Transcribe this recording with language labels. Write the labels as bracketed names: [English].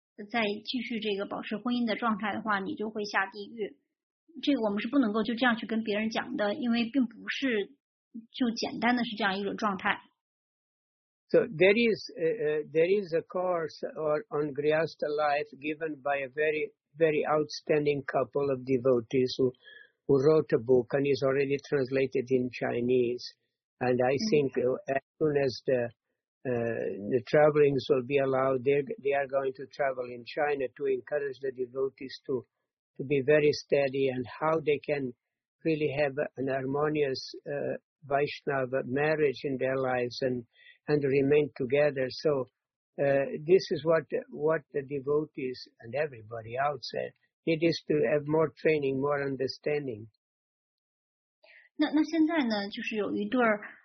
[Chinese] 再继续这个保持婚姻的状态的话，你就会下地狱。这个我们是不能够就这样去跟别人讲的，因为并不是就简单的是这样一种状态。 [English] So there is a course on Grihastha life given by a very very outstanding couple of devotees who wrote a book and is already translated in Chinese. And I think as soon as the travelings will be allowed. They are going to travel in China to encourage the devotees to be very steady and how they can really have an harmonious Vaishnava marriage in their lives and remain together. So this is what the devotees and everybody else said. It is to have more training, more understanding. [Chinese] 那现在呢，就是有一对儿。